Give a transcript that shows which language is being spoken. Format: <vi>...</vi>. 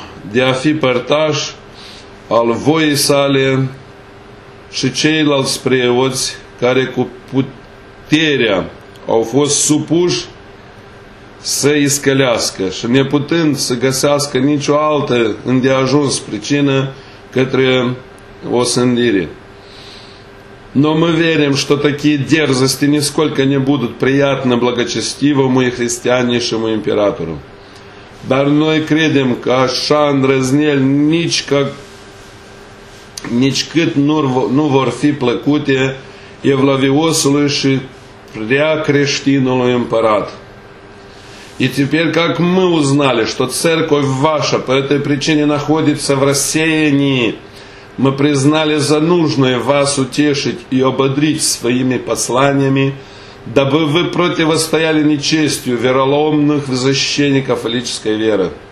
<ro>de a fi părtaș al voii sale și ceilalți preoți care cu puterea au fost supuși să îi scălească și neputând să găsească nicio altă îndeajuns pricină către osândire.</ro> <ru>Но мы верим, что такие дерзости нисколько не будут приятны благочестивому и христианнейшему императору.</ru> <ro>Dar noi credem că așa îndrăzneli nicicât nu vor fi plăcute Evlaviosului și prea creștinului împărat.</ro> <ru>И теперь, как мы узнали, что церковь ваша по этой причине находится в рассеянии, мы признали за нужное вас утешить и ободрить своими посланиями, дабы вы противостояли нечестию вероломных защитников фаллической веры.</ru>